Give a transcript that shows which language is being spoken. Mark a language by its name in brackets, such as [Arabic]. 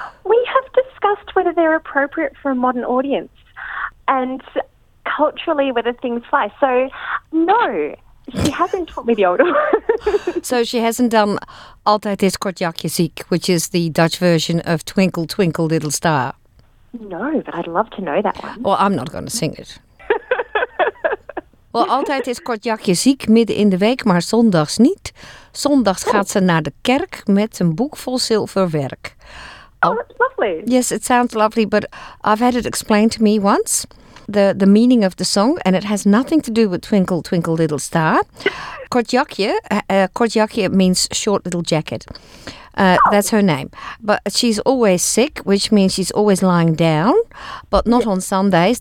[English] We have discussed whether they're appropriate for a modern audience and culturally whether things fly. So, no, she hasn't taught me the old ones. So she hasn't done [Dutch] Altijd is kort jakje ziek, [English] which is the Dutch version of Twinkle, Twinkle, Little Star. No, but I'd love to know that one. Well, I'm not going to sing it. [Dutch] Well, altijd is Kortjakje ziek midden in de week, maar zondags niet. Zondags gaat ze naar de kerk met een boek vol zilverwerk. [English] Oh, that's lovely. Yes, it sounds lovely, but I've had it explained to me once, the meaning of the song, and it has nothing to do with Twinkle, Twinkle, Little Star. Kortjakje means short little jacket. That's her name. But she's always sick, which means she's always lying down, but not on Sundays.